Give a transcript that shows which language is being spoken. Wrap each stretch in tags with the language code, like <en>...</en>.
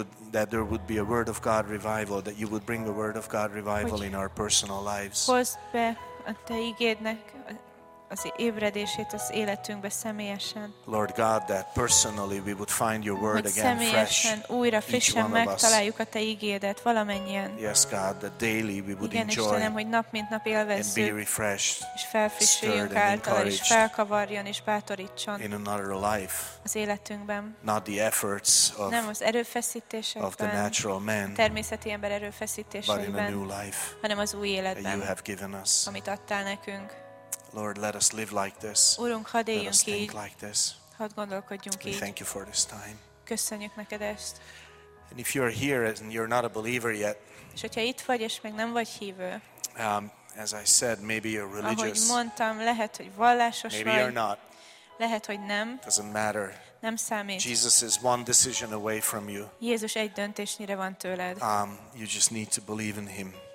<en>that there would be a word of God revival, that you would bring a word of God revival in our personal lives.</en> <hu>Hozd be a te igédnek az ébredését az életünkbe személyesen.</hu> <en>Lord God, that personally we would find your word</en> <hu>hogy</hu> <en>again fresh.</en> <hu>Újra frissen megtaláljuk a te igédet valamennyien.</hu> <en>Yes God, that daily we would</en> <hu>igen,</hu> <en>enjoy.</en> <hu>Istenem, hogy nap mint nap élvezzük.</hu> <en>And be refreshed.</en> <hu>És felfrissüljünk által, és felkavarjon és bátorítson.</hu> <en>In another life.</en> <hu>Az életünkben.</hu> <en>Not the efforts of.</en> <hu>Nem az erőfeszítésekben.</hu> <en>Of the natural man.</en> <hu>Természeti ember erőfeszítéseiben.</hu> <en>But in a new life.</en> <hu>Hanem az új életben.</hu> <en>That you have given us.</en> <hu>Amit adtál nekünk.</hu> <en>Lord, let us live like this.</en> <hu>Urunk, hadd éljünk így.</hu> <en>Let us think like this.</en> <hu>Hadd gondolkodjunk így.</hu> <en>We thank you for this time.</en> <hu>Köszönjük neked ezt.</hu> <en>And if you are here and you're not a believer yet,</en> <hu>és hogyha itt vagy és még nem vagy hívő,</hu> <en>as I said, maybe you're religious.</en> <hu>Ahogy mondtam, lehet, hogy vallásos</hu> <en>maybe</en> <hu>vagy.</hu> <en>Maybe you're not.</en> <hu>Lehet, hogy nem.</hu> <en>Doesn't matter.</en> <hu>Nem számít.</hu> <en>Jesus is one decision away from you.</en> <hu>Jézus egy döntésnyire van tőled.</hu> <en>You just need to believe in him.</en>